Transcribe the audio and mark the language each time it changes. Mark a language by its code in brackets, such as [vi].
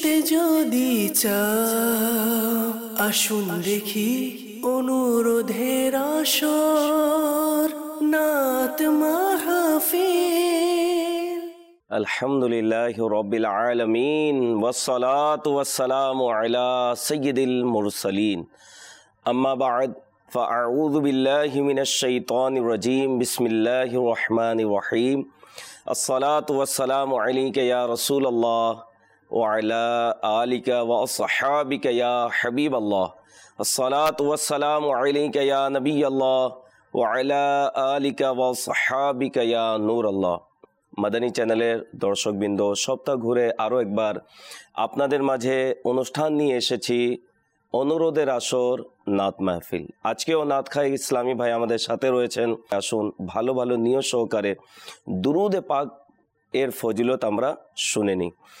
[bn] যদি চাও আসুন দেখি অনুরোধের আসর নাত মাহফিল। [ar] আলহামদুলিল্লাহি রাব্বিল আলামিন ওয়াসসালাতু ওয়াসসালামু আলা সাইয়্যিদিল মুরসালিন আম্মা বাদ فأعوذ بالله من الشيطان الرجيم بسم الله الرحمن الرحيم الصلاة والسلام عليك يا رسول الله وعلى آلك وأصحابك يا حبيب الله الصلاة والسلام عليك يا نبي الله وعلى آلك وأصحابك يا نور الله। [bn] মাদানী চ্যানেলের দর্শকবৃন্দ, সপ্তাহ ঘুরে আরো একবার আপনাদের মাঝে অনুষ্ঠান নিয়ে এসেছি অনুরোধের আসর নাত মাহফিল। আজকেও নাত খাই ইসলামী ভাই আমাদের সাথে রয়েছেন। আসুন ভালো ভালো নিয় সহকারে দুরুদে পাক এর ফজিলত আমরা শুনে নিই।